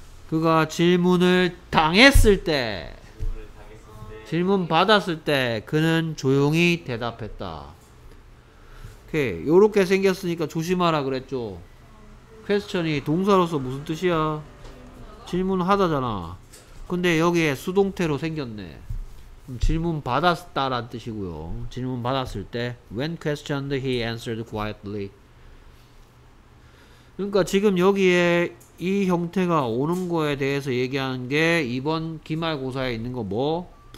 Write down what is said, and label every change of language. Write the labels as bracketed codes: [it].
[ko] 그가 질문을 당했을 때, 질문 받았을 때 그는 조용히 대답했다. 오케이. 요렇게 생겼으니까 조심하라 그랬죠. 퀘스천이 동사로서 무슨 뜻이야? 질문하다잖아. 근데 여기에 수동태로 생겼네. 질문 받았다란 뜻이고요. 질문 받았을 때 [en] when questioned he answered quietly. [ko] 그러니까 지금 여기에 이 형태가 오는 거에 대해서 얘기하는 게 이번 기말고사에 있는 거 뭐?